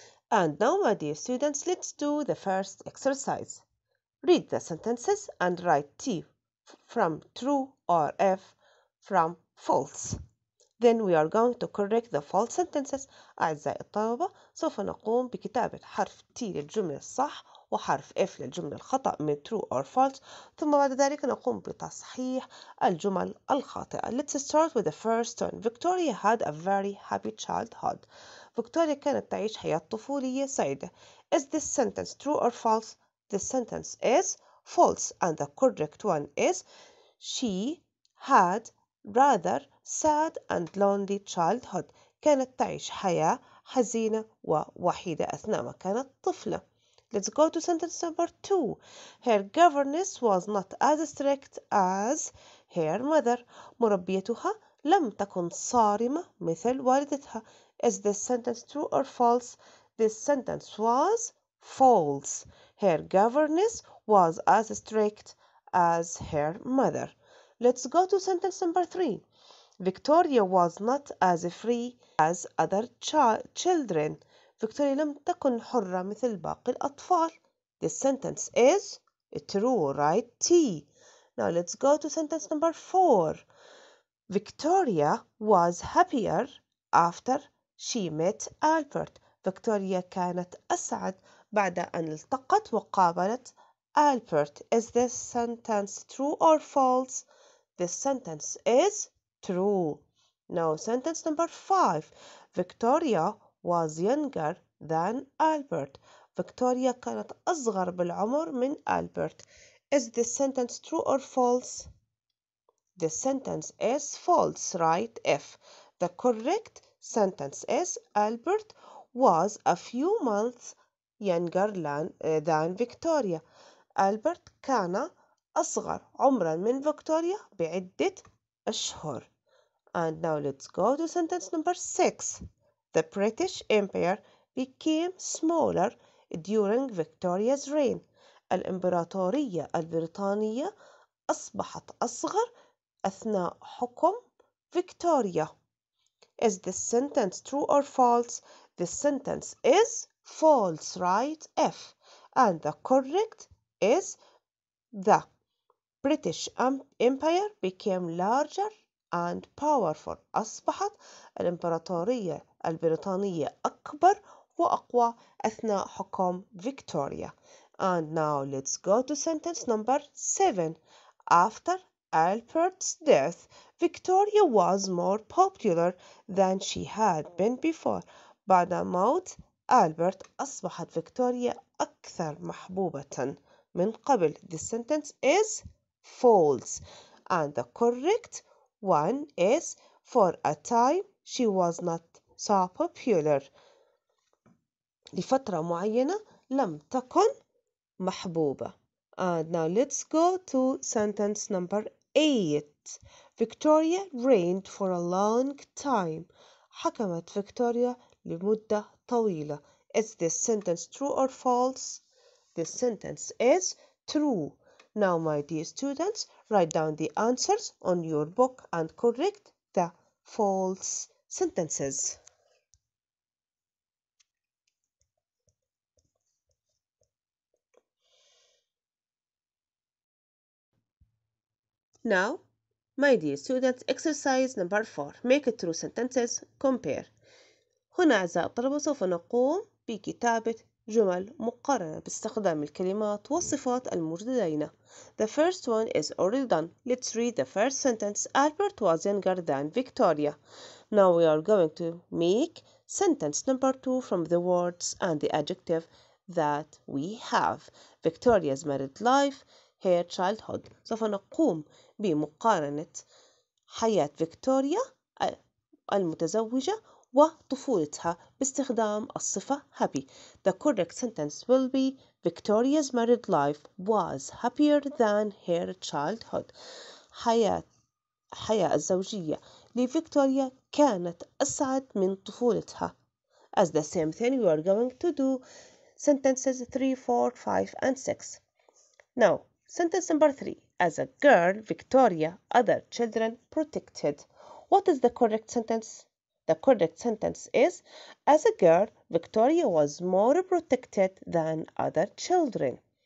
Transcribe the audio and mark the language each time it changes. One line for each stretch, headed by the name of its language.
English: And now, my dear students, let's do the first exercise. Read the sentences and write T from true or F from false. Then we are going to correct the false sentences.
Arabic: أعزائي الطلبة سوف نقوم بكتابة حرف T للجملة الصح وحرف F للجملة الخطأ من
English: true or false.
Arabic: ثم بعد ذلك نقوم بتصحيح الجمل الخاطئة.
English: Let's start with the first one. Victoria had a very happy childhood.
Arabic: فيكتوريا كانت تعيش حياة طفولية سعيدة.
English: Is this sentence true or false? This sentence is false. And the correct one is she had rather sad and lonely childhood.
Arabic: كانت تعيش حياة حزينة ووحيدة أثناء ما كانت طفلة.
English: Let's go to sentence number two. Her governess was not as strict as her mother.
Arabic: مربيتها لم تكن صارمة مثل والدتها.
English: Is this sentence true or false? This sentence was false. Her governess was as strict as her mother. Let's go to sentence number three. Victoria was not as free as other children.
Arabic: Victoria لم تكن حرة مثل باقي الأطفال.
English: This sentence is true, right? T. Now let's go to sentence number four. Victoria was happier after she met Albert.
Arabic: Victoria كانت أسعد بعد أن التقت وقابلت Albert.
English: Is this sentence true or false? This sentence is true. Now, sentence number five. Victoria was younger than Albert.
Arabic: Victoria كانت أصغر بالعمر من Albert.
English: Is this sentence true or false? This sentence is false, right? If the correct sentence is Albert was a few months younger than Victoria.
Arabic: Albert كان أصغر عمرا من فيكتوريا بعدة أشهر.
English: And now let's go to sentence number six. The British Empire became smaller during Victoria's reign.
Arabic: الإمبراطورية البريطانية أصبحت أصغر أثناء حكم
English: Victoria. Is this sentence true or false? This sentence is false, right? F. And the correct is the British Empire became larger and powerful.
Arabic: أصبحت الإمبراطورية البريطانية أكبر وأقوى أثناء حكم فيكتوريا.
English: And now let's go to sentence number 7. After Albert's death, Victoria was more popular than she had been before.
Arabic: بعد موت ألبرت أصبحت فيكتوريا أكثر محبوبة من قبل.
English: This sentence is false. And the correct one is for a time she was not so popular.
Arabic: لفترة معينة لم تكن محبوبة.
English: And now let's go to sentence number 8. Victoria reigned for a long time.
Arabic: حكمت فيكتوريا لمدة طويلة.
English: Is this sentence true or false? This sentence is true. Now, my dear students, write down the answers on your book and correct the false sentences. Now, my dear students, exercise number 4. Make true sentences, compare.
Arabic: هنا أعزائي الطلبة سوف نقوم بكتابة جمل مقارنة باستخدام الكلمات والصفات المجددين.
English: The first one is already done. Let's read the first sentence. Albert was younger than Victoria. Now we are going to make sentence number 2 from the words and the adjective that we have. Victoria's married life, her childhood.
Arabic: سوف نقوم بمقارنة حياة فيكتوريا المتزوجة وطفولتها باستخدام الصفة happy.
English: The correct sentence will be Victoria's married life was happier than her childhood.
Arabic: حياة الزوجية لفيكتوريا كانت أسعد من طفولتها.
English: As the same thing we are going to do sentences 3, 4, 5 and 6. Now, sentence number 3. As a girl, Victoria, other children protected. What is the correct sentence? The correct sentence is, as a girl, Victoria was more protected than other children.